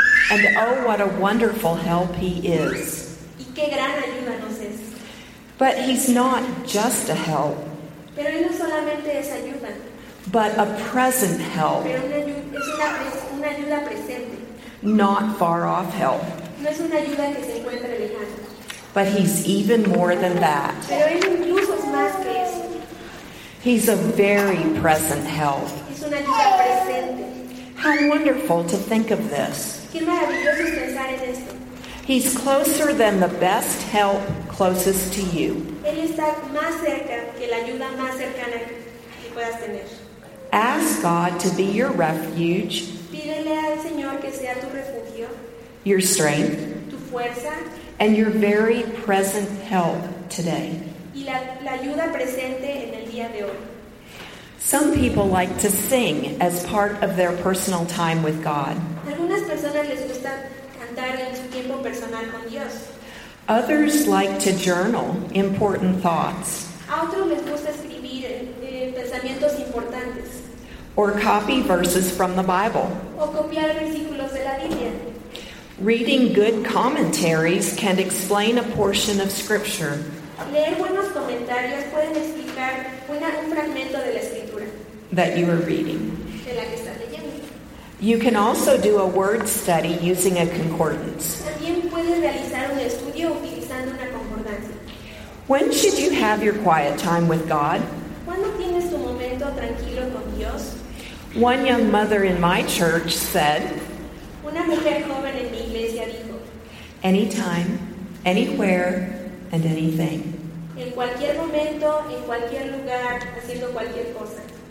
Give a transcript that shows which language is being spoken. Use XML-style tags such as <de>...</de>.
<en>And oh, what a wonderful help He is.</en> <es>Y qué gran ayuda nos es.</es> <en>But He's not just a help.</en> <es>Pero él no solamente es ayuda,</es> <en>but a present help.</en> <es>Pero es una ayuda presente.</es> <en>Not far off help.</en> <es>No es una ayuda que se encuentre lejana.</es> <en>But He's even more than that.</en> <es>Pero él incluso es más que eso.</es> <en>He's a very present help.</en> <es>Es una ayuda presente.</es> <en>How wonderful to think of this.</en> <es>Qué maravilloso es pensar en esto.</es> <en>He's closer than the best help closest to you.</en> <es>Él está más cerca que la ayuda más cercana que puedas tener.</es> <en>Ask God to be your refuge.</en> <es>Pídele al Señor que sea tu refugio.</es> <en>Your strength.</en> <es>Tu fuerza.</es> <en>And your very present help today.</en> <es>Y la ayuda presente en el día de hoy.</es> <en>Some people like to sing as part of their personal time with God.</en> <es>Algunas personas les gusta cantar en su tiempo personal con Dios.</es> <en>Others like to journal important thoughts.</en> <es>A otros les gusta escribir pensamientos importantes.</es> <en>Or copy verses from the Bible.</en> <es>O copiar versículos de la Biblia.</es> <en>Reading good commentaries can explain a portion of Scripture.</en> <es>Leer buenos comentarios pueden explicar un fragmento de la Escritura.</es> <en>That you are reading.</en> <es>De la que estás leyendo.</es> <en>You can also do a word study using a concordance.</en> <es>También puedes realizar un estudio utilizando una concordancia.</es> <en>When should you have your quiet time with God?</en> <es>¿Cuándo tienes tu momento tranquilo con Dios?</es> <en>One young mother in my church said,</en> <es>una mujer joven en mi iglesia dijo,</es> <en>anytime, anywhere, and anything.</en> <es>En cualquier momento, en cualquier lugar, haciendo cualquier cosa.</es>